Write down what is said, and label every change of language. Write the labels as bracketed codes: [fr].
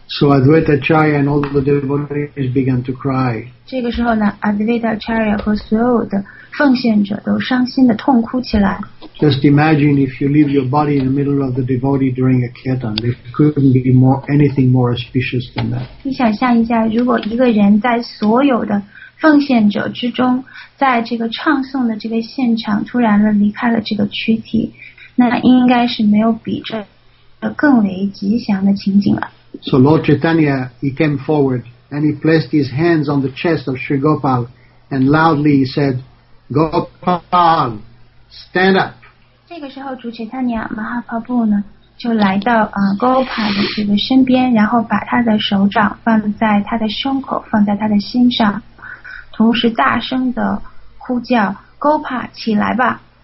[en] So Advaita Acharya and all the devotees began to cry [zh] 这个时候呢 Advaita Acharya 和所有的奉献者都伤心的痛哭起来 [en] Just imagine if you leave your body in the middle of the devotee during a ketan there couldn't be more, anything more auspicious than that [zh] 你想象一下如果一个人在所有的奉献者之中在这个唱诵的这个现场突然的离开了这个躯体那应该是没有比这更为吉祥的情景了 [en] So Lord Chaitanya he came forward and he placed his hands on the chest of Sri Gopal and loudly he said Gopal stand up [zh] 这个时候主 Chaitanya Mahaprabhu 呢就来到Gopal 的这个身边然后把他的手掌放在他的胸口放在他的心上同时大声地呼叫 Gopal 起来吧